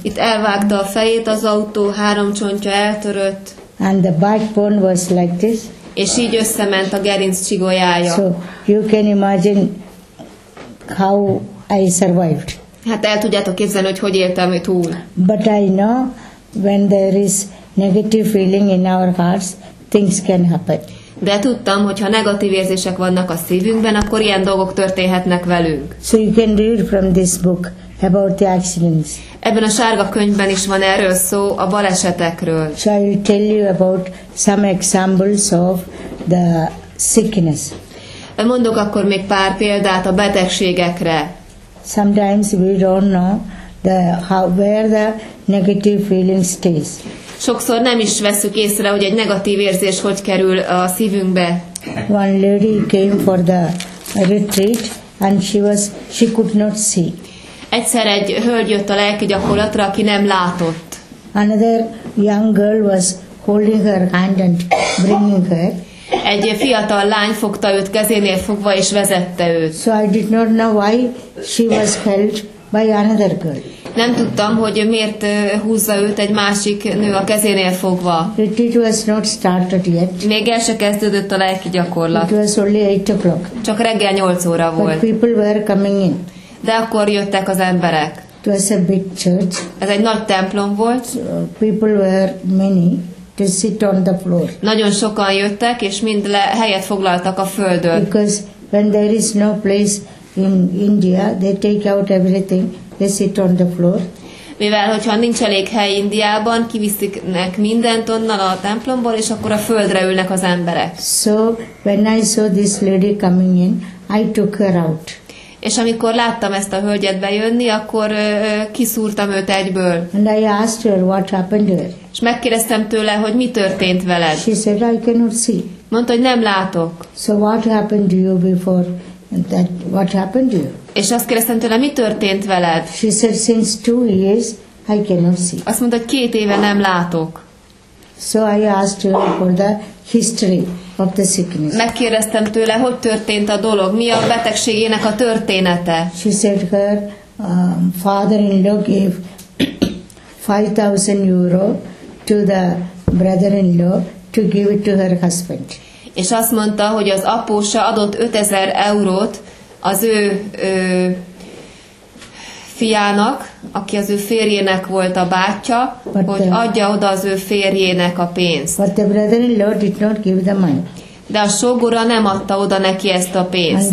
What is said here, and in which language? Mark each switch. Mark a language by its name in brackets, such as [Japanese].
[Hungarian] Itt elvágta a fejét az autó, 3 csontja eltörött. [English] And the backbone was like this. [Hungarian] És így összement a gerinc csigolyája. [English] So you can imagine how I survived. [Hungarian] Hát el tudjátok képzelni, hogy hogy éltem túl. [English] But I know when there is negative feeling in our hearts, things can happen. [Hungarian] De tudtam, hogy ha negatív érzések vannak a szívünkben, akkor ilyen dolgok történhetnek velünk. [English] So you can read from this book about the accidents. [Hungarian] Ebben a sárga könyvben is van erről szó, a balesetekről. [English] So I'll tell you about some examples of the sickness. [Hungarian] Mondok akkor még pár példát a betegségekre. [English] Sometimes we don't know where the negative feeling stays. [Hungarian] Sokszor nem is veszük észre, hogy egy negatív érzés hogy kerül a szívünkbe. [English] One lady came for the retreat and she could not see. [Hungarian] Egyszer egy hölgy jött a lelki gyakorlatra, aki nem látott. [English] Another young girl was holding her hand and bringing her. [Hungarian] Egy fiatal lány fogta őt kezénél fogva és vezette őt. [English] So I did not know why she was held by another girl. [Hungarian] Nem tudtam, hogy miért húzza őt egy másik nő a kezénél fogva. [English] It was not started yet. [Hungarian] Még el se kezdődött a lelki gyakorlat. [English] It was only 8 o'clock. [Hungarian] Csak reggel 8 óra volt. [English] But people were coming in. [Hungarian] De akkor jöttek az emberek. [English] It was a big church. [Hungarian] Ez egy nagy templom volt. [English] So people were many to sit on the floor. [Hungarian] Nagyon sokan jöttek, és mind helyet foglaltak a földön. [English] Because when there is no place in India, they take out everything. They sit on the floor. [Hungarian] Mivel hogyha nincs elég hely Indiában, kiviszik mindent onnan a templomból, és akkor a földre ülnek az emberek. [English] So when I saw this lady coming in, I took her out. [Hungarian] És amikor láttam ezt a hölgyet bejönni, akkor kiszúrtam őt egyből. [English] And I asked her what happened to her. [Hungarian] És megkérdeztem tőle, hogy mi történt veled. [English] She said I cannot see. [Hungarian] Mondta, hogy nem látok. [English] So what happened to you before? And that what happened to you? [Hungarian] És azt kérdeztem tőle, mi történt veled? [English] She said, since 2 years, I cannot see. [Hungarian] Azt mondta, hogy 2 éve nem látok. [English] So I asked her for the history of the sickness. [Hungarian] Megkérdeztem tőle, hogy történt a dolog, mi a betegségének a története. [English] She said her father-in-law gave 5,000 euro to the brother-in-law to give it to her husband. [Hungarian] És azt mondta, hogy az apósa adott 5000 eurót az ő fiának, aki az ő férjének volt a bátyja, [English] but [Hungarian] hogy [English] the, [Hungarian] adja oda az ő férjének a pénzt. [English] But the brother-in-law did not give the money. [Hungarian] De a sógora nem adta oda neki ezt a pénzt.